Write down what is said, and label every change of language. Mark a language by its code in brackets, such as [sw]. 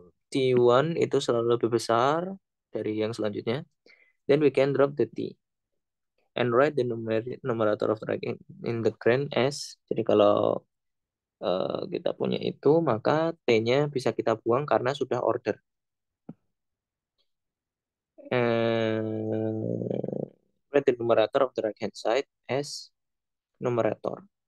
[id] T1 itu selalu lebih besar dari yang selanjutnya. [en] Then we can drop the T and write the numerator of the right in the green S. [id] Jadi kalau kita punya itu, maka T-nya bisa kita buang karena sudah order. [en] Write the numerator of the right hand side as numerator.